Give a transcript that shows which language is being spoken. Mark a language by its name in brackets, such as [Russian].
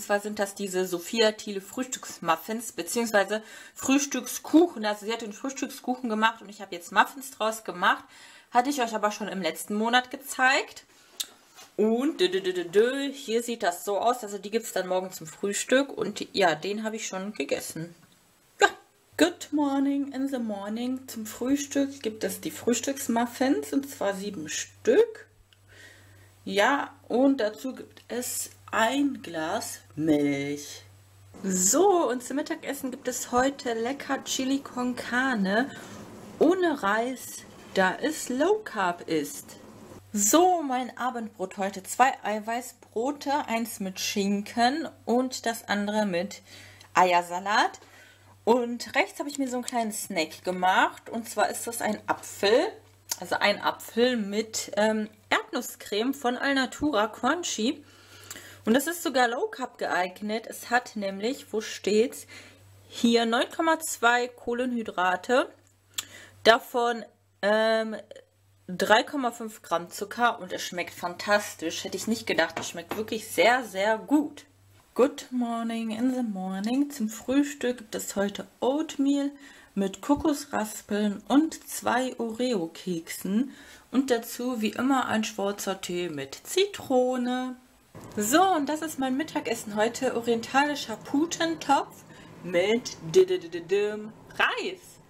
[German] Und zwar sind das diese Sophia Thiele Frühstücksmuffins bzw. Frühstückskuchen. Also sie hat den Frühstückskuchen gemacht und ich habe jetzt Muffins draus gemacht. Hatte ich euch aber schon im letzten Monat gezeigt. Und hier sieht das so aus. Also die gibt es dann morgen zum Frühstück. Und ja, den habe ich schon gegessen. [English] Good morning in the morning. [German] Zum Frühstück gibt es die Frühstücksmuffins und zwar 7 Stück. Ja, und dazu gibt es ein Glas Milch. So, und zum Mittagessen gibt es heute lecker Chili con Carne ohne Reis, da es Low Carb ist. So, mein Abendbrot heute. Zwei Eiweißbrote, eins mit Schinken und das andere mit Eiersalat. Und rechts habe ich mir so einen kleinen Snack gemacht. Und zwar ist das ein Apfel. Also ein Apfel mit Erdnusscreme von Alnatura Crunchy. Und das ist sogar Low Carb geeignet. Es hat nämlich, wo steht's, hier 9,2 Kohlenhydrate. Davon 3,5 Gramm Zucker. Und es schmeckt fantastisch. Hätte ich nicht gedacht. Es schmeckt wirklich sehr, sehr gut. [English] Good morning in the morning. [German] Zum Frühstück gibt es heute Oatmeal mit Kokosraspeln und zwei Oreo-Keksen. Und dazu wie immer ein schwarzer Tee mit Zitrone. So, und das ist mein Mittagessen heute. Orientalischer Putentopf mit Reis.